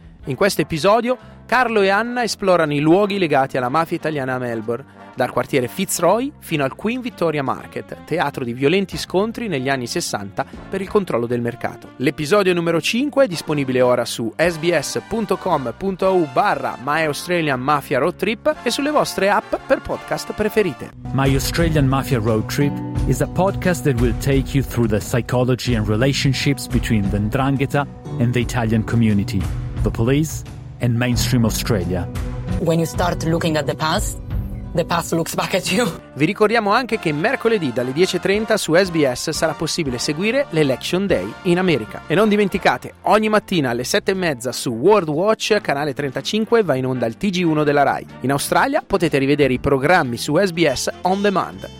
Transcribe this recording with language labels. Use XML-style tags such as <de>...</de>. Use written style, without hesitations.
<it>In questo episodio, Carlo e Anna esplorano i luoghi legati alla mafia italiana a Melbourne, dal quartiere Fitzroy fino al Queen Victoria Market, teatro di violenti scontri negli anni 60 per il controllo del mercato. L'episodio numero 5 è disponibile ora su sbs.com.au/My Australian Mafia Road Trip e sulle vostre app per podcast preferite.</it> <en>My Australian Mafia Road Trip is a podcast that will take you through the psychology and relationships between the 'Ndrangheta and the Italian community, the police and mainstream Australia. When you start looking at the past, the past looks back at you.</en> <it>Vi ricordiamo anche che mercoledì dalle 10.30 su SBS sarà possibile seguire l'Election Day in America. E non dimenticate, ogni mattina alle 7.30 su World Watch, canale 35, va in onda il TG1 della Rai. In Australia potete rivedere i programmi su SBS On Demand.</it>